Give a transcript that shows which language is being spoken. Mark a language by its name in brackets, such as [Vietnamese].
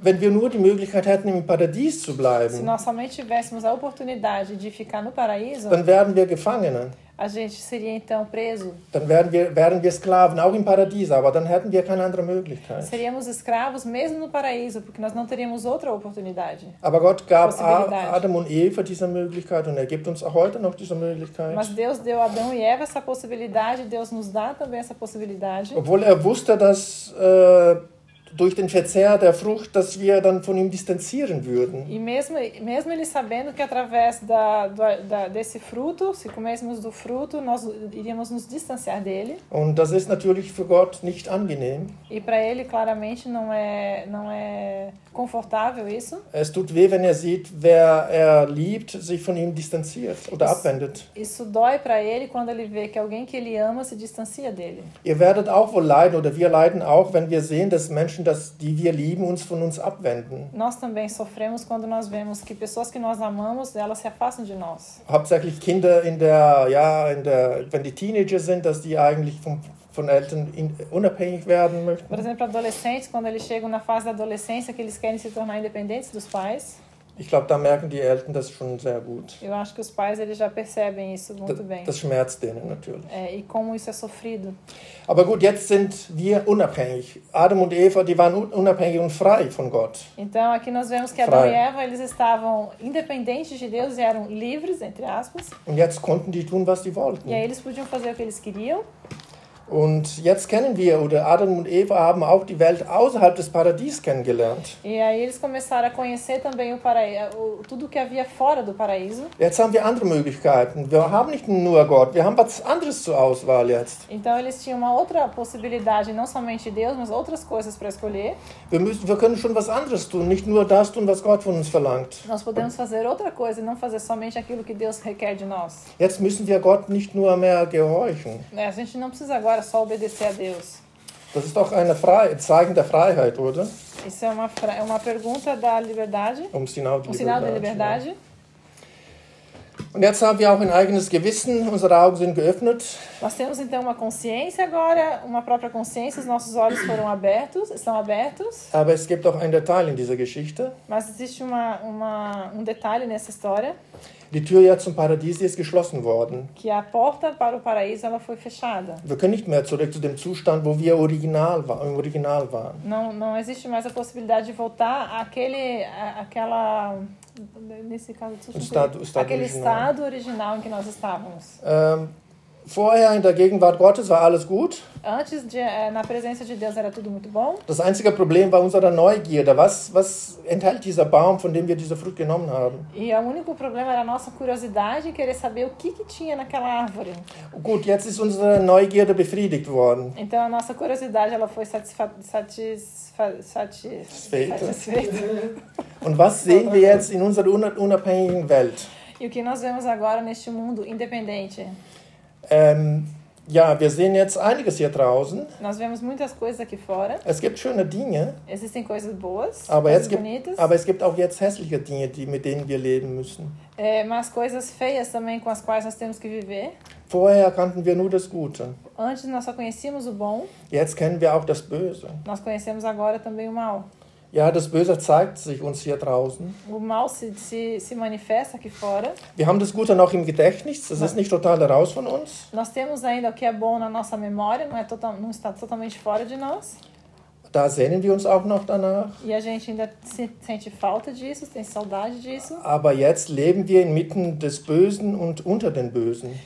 [German] Wenn wir nur die Möglichkeit hätten im Paradies zu bleiben? [Portuguese] Se nós somente tivéssemos a oportunidade de ficar no paraíso? [German] Dann wären wir Gefangene. [Portuguese] A gente seria então preso. [German] Dann wären wir Sklaven auch im Paradies, aber dann hätten wir keine andere Möglichkeit. [Portuguese] Seríamos escravos mesmo no paraíso, porque nós não teríamos outra oportunidade. [German] Aber Gott gab Adam und Eva diese Möglichkeit und er gibt uns auch heute noch diese Möglichkeit. [Portuguese] Mas Deus deu a Adão e Eva essa possibilidade, Deus nos dá também essa possibilidade. [German] Obwohl er wusste, dass durch den Verzehr der Frucht, dass wir dann von ihm distanzieren würden. [Portuguese] E mesmo ele sabendo que através da desse fruto, se comêssemos do fruto, nós iríamos nos distanciar dele. [German] Und das ist natürlich für Gott nicht angenehm. [Portuguese] E para ele claramente não é confortável isso. [German] Es tut weh, wenn er sieht, wer er liebt, sich von ihm distanziert oder abwendet. [Portuguese] Isso dói para ele quando ele vê que alguém que ele ama se distancia dele. [German] Ihr werdet auch wohl leiden oder wir leiden auch, wenn wir sehen, dass Menschen Menschen, dass die wir lieben, uns von uns abwenden. [Portuguese] Nós também sofremos quando nós vemos que pessoas que nós amamos, elas se afastam de nós. [German] Hauptsächlich Kinder in der, ja, in der, wenn die Teenager sind, dass die eigentlich von Eltern unabhängig werden möchten. [Portuguese] Por exemplo, adolescentes, quando eles chegam na fase da adolescência, que eles querem se tornar independentes dos pais. [German] Ich glaube, da merken die Eltern das schon sehr gut. [Portuguese] Eu acho que os pais eles já percebem isso muito bem. [German] Das schmerzt denen natürlich. [Portuguese] É, e como isso é sofrido. [German] Aber gut, jetzt sind wir unabhängig. Adam und Eva, die waren unabhängig und frei von Gott. [Portuguese] Então aqui nós vemos que Adão e Eva eles estavam independentes de Deus e eram livres entre aspas. [German] Und jetzt konnten die tun, was sie wollten. [Portuguese] E aí eles podiam fazer o que eles queriam. [German] Und jetzt kennen wir, oder Adam und Eva haben auch die Welt außerhalb des Paradies kennengelernt. [Portuguese] E aí eles começaram a conhecer também o paraíso, tudo que havia fora do paraíso. [German] Jetzt haben wir andere Möglichkeiten. Wir haben nicht nur Gott, wir haben was anderes zur Auswahl jetzt. [Portuguese] Então eles tinham uma outra possibilidade, não somente Deus, mas outras coisas para escolher. [German] Wir können schon was anderes tun, nicht nur das tun, was Gott von uns verlangt. [Portuguese] Nós podemos fazer outra coisa e não fazer somente aquilo que Deus requer de nós. [German] Jetzt müssen wir Gott nicht nur mehr gehorchen. [Portuguese] É, a gente não precisa agora só obedecer a Deus. [German] Das ist doch eine Zeichen der Freiheit, oder? [Portuguese] Isso é uma pergunta da liberdade. Sinal de sinal da liberdade. [German] Ja. Und jetzt haben wir auch ein eigenes Gewissen. Unsere Augen sind geöffnet. [Portuguese] Nós temos então uma consciência agora, uma própria consciência. Os nossos olhos foram abertos, estão abertos. [German] Aber es gibt auch ein Detail in dieser Geschichte. [Portuguese] Mas existe um detalhe nessa história. [German] Die Tür ja zum Paradies ist geschlossen worden. [Portuguese] Que a porta para o paraíso ela foi fechada. [German] Wir können nicht mehr zurück zu dem Zustand, wo wir original waren. [Portuguese] Não existe mais a possibilidade de voltar àquele, àquela, nesse caso, estado original em que nós estávamos. [German] Vorher in der Gegenwart Gottes war alles gut. [Portuguese] Antes de, na presença de Deus era tudo muito bom. [German] Das einzige Problem war unsere Neugierde. Was enthält dieser Baum, von dem wir diese Frucht genommen haben? [Portuguese] E o único problema era a nossa curiosidade, querer saber o que tinha naquela árvore. [German] Gut, jetzt ist unsere Neugierde befriedigt worden. [Portuguese] Então a nossa curiosidade ela foi satisfeita. [German] Und was sehen wir jetzt in unserer unabhängigen Welt? [Portuguese] E o que nós vemos agora neste mundo independente? [German] Ja, wir sehen jetzt einiges hier draußen. [Portuguese] Nós vemos muitas coisas aqui fora. [German] Es gibt schöne Dinge. [Portuguese] Existem coisas boas, [German] aber [Portuguese] coisas jetzt bonitas. [German] Aber es gibt auch jetzt hässliche Dinge, mit denen wir leben müssen. [Portuguese] Mas coisas feias também com as quais nós temos que viver. [German] Vorher kannten wir nur das Gute. [Portuguese] Antes nós só conhecíamos o bom. [German] Jetzt kennen wir auch das Böse. [Portuguese] Nós conhecemos agora também o mal. [German] Ja, das Böse zeigt sich uns hier draußen. [Portuguese] O mal se manifesta aqui fora. [German] Wir haben das Gute noch im Gedächtnis, das ist nicht total raus von uns. [Portuguese] Nós temos ainda o que é bom na nossa memória, não está totalmente fora de nós. [German] Da sehnen wir uns auch noch danach. [Portuguese] E a gente ainda sente falta disso, tem saudade disso. [German] Aber jetzt leben wir inmitten des Bösen und unter den Bösen.